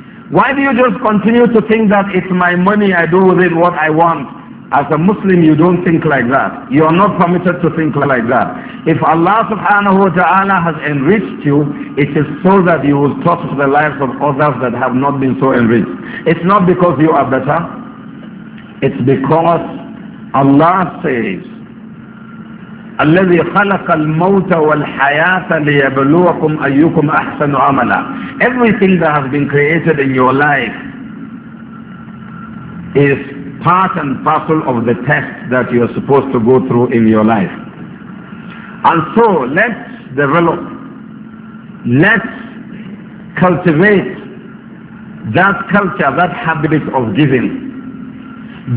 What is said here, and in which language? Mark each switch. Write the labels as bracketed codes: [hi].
[en] Why do you just continue to think that it's my money, I do with it what I want? As a Muslim, you don't think like that. You are not permitted to think like that. If Allah subhanahu wa ta'ala has enriched you, it is so that you will touch the lives of others that have not been so enriched. It's not because you are better. It's because Allah says, [ar] الَّذِي خَلَقَ الْمَوْتَ وَالْحَيَاةَ لِيَبْلُوَكُمْ أَيُّكُمْ أَحْسَنُ عَمَلًا. [en] Everything that has been created in your life is part and parcel of the test that you are supposed to go through in your life. And so, let's develop, let's cultivate that culture, that habit of giving.